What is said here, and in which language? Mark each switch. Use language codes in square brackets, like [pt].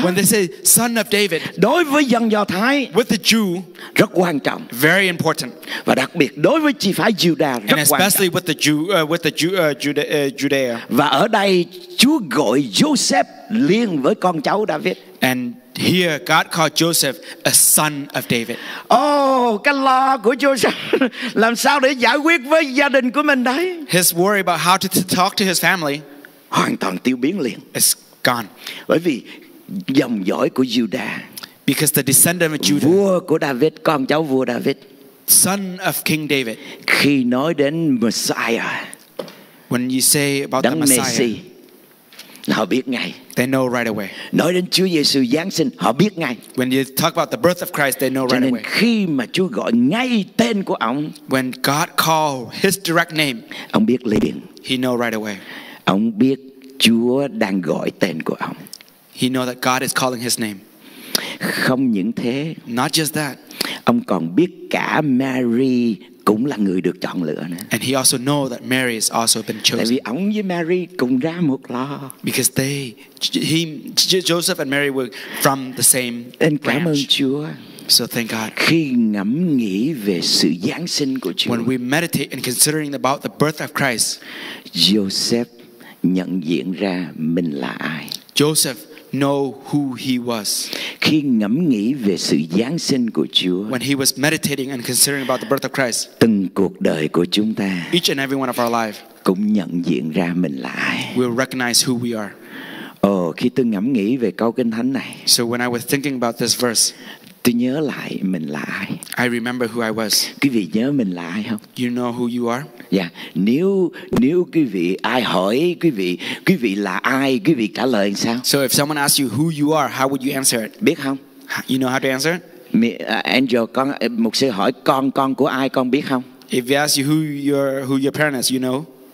[en] when they say son of David, [vi] đối với dân Do Thái, [en] with the Jew, [vi] rất quan trọng, [en] very important, [vi] và đặc biệt đối với chi phái Giuđa rất quan trọng, [en] and especially with the Jew, Judea. [vi] Và ở đây Chúa gọi Joseph liền với con cháu David. [en] And here God called Joseph a son of David. [vi] Oh, cái lo của Joseph làm sao để giải quyết với gia đình của mình đấy? [en] His worry about how to talk to his family [vi] hoàn toàn tiêu biến liền. [en] It's gone. [vi] Bởi vì dòng dõi của Giuđa, [en] because the descendant of Judah, [vi] vua của David, con cháu vua David, [en] son of King David, [vi] khi nói đến Messiah, [en] when you say about the Messiah, [vi] họ biết ngay. [en] They know right away. [vi] Nói đến Chúa Giêsu Giáng sinh, họ biết ngay. [en] When you talk about the birth of Christ, they know right away. [vi] Cho nên khi mà Chúa gọi ngay tên của ông, [en] when God called his direct name, [vi] ông biết liền. [en] He know right away. [vi] Ông biết Chúa đang gọi tên của ông. [en] He know that God is calling his name. [vi] Không những thế, [en] not just that, [vi] ông còn biết cả Mary cũng là người được chọn lựa nữa. [en] And he also know that Mary has also been chosen. [vi] Tại vì ông với Mary cùng ra một lò. [en] Because they, he, Joseph and Mary were from the same [vi] branch. Cảm ơn Chúa. [en] So thank God. [vi] Khi ngẫm nghĩ về sự giáng sinh của Chúa, [en] when we meditate and considering about the birth of Christ, [vi] Joseph nhận diện ra mình là ai. [en] Joseph know who he was. [vi] Khi ngẫm nghĩ về sự giáng sinh của Chúa, [en] when he was meditating and considering about the birth of Christ, [vi] từng cuộc đời của chúng ta, [en] each and every one of our life, [vi] cũng nhận diện ra mình là ai. [en] We'll recognize who we are. [vi] Oh, khi tôi ngẫm nghĩ về câu kinh thánh này, [en] so when I was thinking about this verse, [vi] tôi nhớ lại mình là ai. [en] I remember who I was. [vi] Quý vị nhớ mình là ai không? [en] You know who you are? Yeah. [vi] Nếu quý vị, ai hỏi quý vị là ai, quý vị trả lời sao? [en] So if someone asks you who you are, how would you answer it? [vi] Biết không? [en] You know how to answer it? [vi] Angel, con mục sư hỏi con của ai, con biết không? [en] If he asks you who your parents is, you know?